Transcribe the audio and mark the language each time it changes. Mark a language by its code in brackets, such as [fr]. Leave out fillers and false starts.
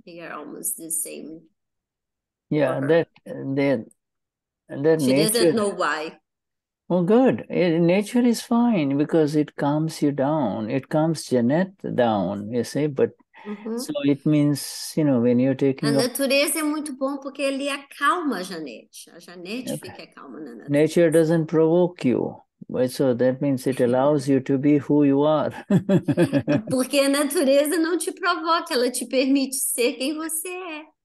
[en] They are almost the same. Yeah, that she nature. She doesn't know why. Well, good. Nature is fine because it calms you down. It calms Jeanette down, you see. But so it means, you know, when you're taking [pt] a natureza é muito bom porque ele acalma a Jeanette. A Jeanette fica calma na natureza. [en] Nature doesn't provoke you. So that means it allows you to be who you are. [pt] Porque a natureza não te provoca, ela te permite ser quem você é.